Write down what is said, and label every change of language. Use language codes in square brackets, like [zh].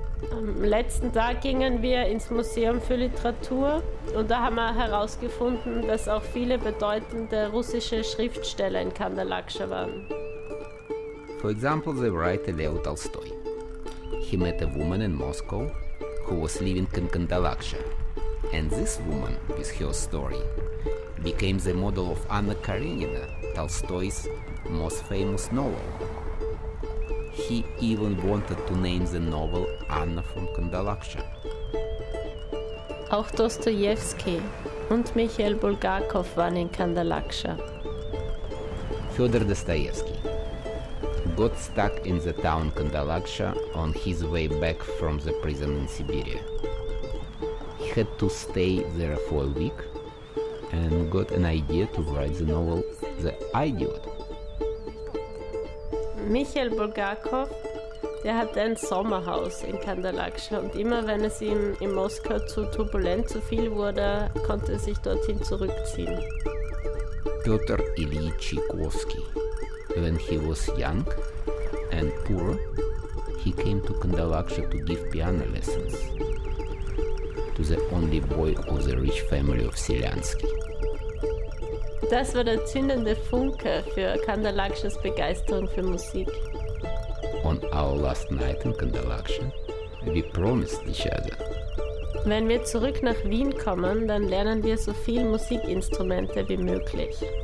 [de] Am letzten Tag gingen wir ins Museum für Literatur und da haben wir herausgefunden, dass auch viele bedeutende russische Schriftsteller in Kandalaksha waren. [en] For example, the writer Leo Tolstoy. He met a woman in Moscow who was living in Kandalaksha. And this woman, with her story, became the model of Anna Karenina, Tolstoy's most famous novel. He even wanted to name the novel Anna from Kandalaksha. [de] Auch Dostoevsky und Michael Bulgakov waren in Kandalaksha. [en] Fyodor Dostoevsky got stuck in the town Kandalaksha on his way back from the prison in Siberia. He had to stay there for a week and got an idea to write the novel The Idiot. [de] Michael Bulgakov, der hatte ein Sommerhaus in Kandalaksha und immer wenn es ihm in Moskau zu turbulent zu viel wurde, konnte er sich dorthin zurückziehen. Pyotr Ilyich Tchaikovsky. [en] When he was young and poor, he came to Kandalaksha to give piano lessons to the only boy of the rich family of Selyansky. [de] Das war der zündende Funke für Kandalakshas Begeisterung für Musik. [en] On our last night in Kandalaksha, we promised each other. [de] Wenn wir zurück nach Wien kommen, dann lernen wir so viele Musikinstrumente wie möglich.